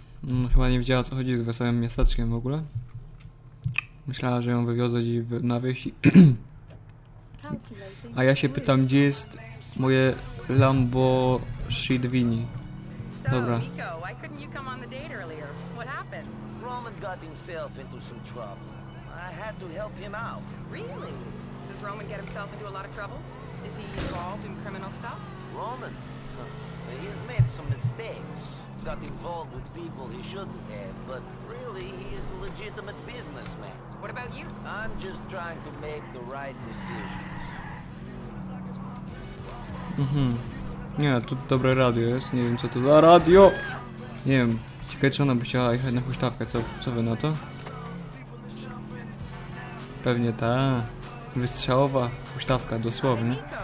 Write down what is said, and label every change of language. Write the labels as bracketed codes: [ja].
[pl] No, chyba nie wiedziała, co chodzi z wesołym miasteczkiem w ogóle. Myślała, że ją wywiozę gdzieś na wieś. A ja się pytam, gdzie jest moje Lambo Shidvini. Dobra. [en] So, Nico, why couldn't you come on the date earlier? What happened? Roman got himself into some trouble. I had to help him out. Really? Does Roman get himself into a lot of trouble? Is he involved in criminal stuff? Roman? He's made some mistakes. Got involved with people he shouldn't have, but really, he is a legitimate businessman. What about you? I'm just trying to make the right decisions. [pl] Nie, to dobre radio jest. Nie wiem, co to za radio! Nie wiem. Ciekawe, czy ona by chciała jechać na huśtawkę. Co wy na to? Pewnie ta. Wystrzałowa huśtawka, dosłownie.